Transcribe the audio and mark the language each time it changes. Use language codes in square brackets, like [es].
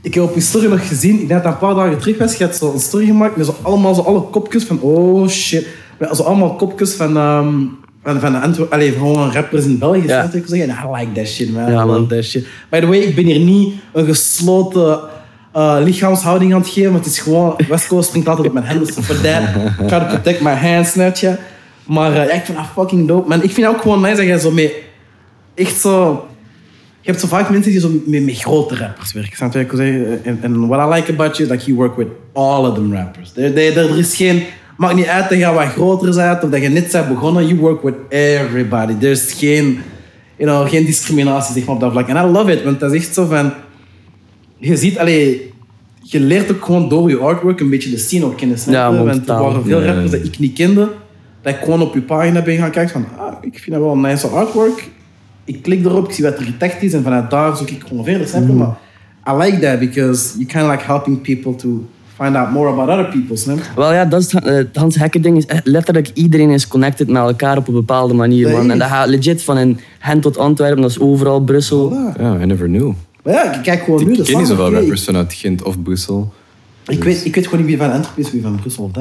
[nl] Ik heb op je story nog gezien, ik denk dat een paar dagen terug was, je hebt zo een story gemaakt met zo allemaal zo alle kopjes van [en] oh shit. [nl] Met zo allemaal kopjes van de Antwerpen. Allee, gewoon rappers in België. Ja. Ik zeg, [en] I like that shit, man. [nl] Ja, man. [en] I like that shit. By the way, [nl] ik ben hier niet een gesloten lichaamshouding aan het geven, maar het is gewoon, West Coast springt altijd op mijn handen. [en] So for that, try to protect my hands, [nl] snap je. Maar ja, ik vind dat fucking dope, man. Ik vind ook gewoon nice dat jij zo mee... Echt zo... Je hebt zo vaak mensen die zo met grote rappers werken. Snap je wat ik wil zeggen? [en] And what I like about you is that you work with all of them rappers. [nl] Er is geen... Maakt niet uit dat je wat groter bent of dat je net bent begonnen. [en] You work with everybody. [nl] Er is geen, [en] you know, [nl] geen discriminatie zeg maar, op dat vlak. [en] And I love it, [nl] want dat is echt zo van... Je ziet alleen... Je leert ook gewoon door je artwork een beetje de scene ook kennen. Ja, want er waren veel rappers die ik niet kende. Dat ik gewoon op je pagina ben gaan kijken van... Ah, ik vind dat wel een nice artwork. Ik klik erop, ik zie wat er getagd is en vanuit daar zoek ik gewoon verder. [en] Maar I like that because you're kind of like helping people to find out more about other people. [nl] Wel ja, dat is het Hans Hekken ding. Letterlijk iedereen is connected met elkaar op een bepaalde manier. Man. En dat gaat legit van in Gent tot Antwerpen, dat is overal Brussel. [en] Ja, voilà. Yeah, I never knew. [nl] Maar ja, ik kijk gewoon nu. Ik ken niet zoveel rappers vanuit Gent of Brussel. Ik weet gewoon niet wie van Antwerpen is, wie van Brussel.